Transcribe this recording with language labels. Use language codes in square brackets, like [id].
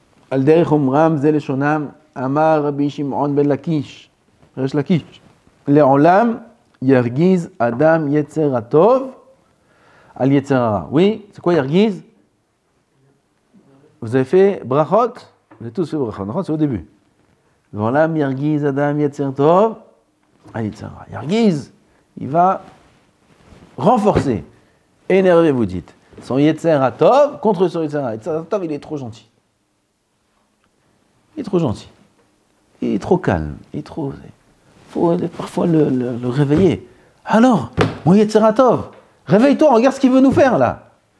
[he] על דרך אומרם זה לשונם, אמר רבי שמעון בן לקיש, ריש לקיש, לעולם ירגיז אדם יצר הטוב על יצר הרע. [fr] Oui, c'est quoi ירגיז? Vous avez fait ברכות? Vous avez tous fait ברכות, נכון? C'est au début. [he] לעולם ירגיז אדם יצר טוב על יצר הרע. [fr] ירגיז, il va renforcer, énerver, vous dites. Son Yetzer Hatov contre son Yetzer Hatov. Yetzer Hatov, il est trop gentil. Il est trop gentil. Il est trop calme. Il est trop... faut parfois le réveiller. Alors, mon Yetzer Hatov, réveille-toi, regarde ce qu'il veut nous faire, là.